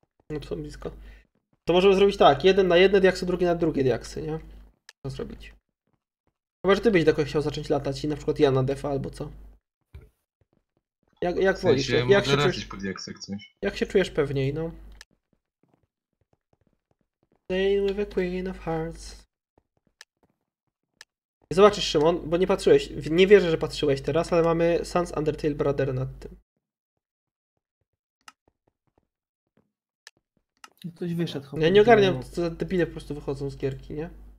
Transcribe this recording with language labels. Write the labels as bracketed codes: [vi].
[pl] No to są blisko. To możemy zrobić tak, jeden na jedne diaksy, drugi na drugie diaksy, nie? Co zrobić? Chyba, że ty byś do kogoś chciał zacząć latać i na przykład ja na defa albo co? Jak w sensie, wolisz? Jak się czujesz, pod diaksy, jak się czujesz pewniej, no? [en] Playing with a queen of hearts. [pl] Zobaczysz, Szymon, bo nie patrzyłeś. Nie wierzę, że patrzyłeś teraz, ale mamy Sans Undertale Brother nad tym. Ktoś wyszedł. Ja nie ogarniam, co za debile po prostu wychodzą z gierki, nie?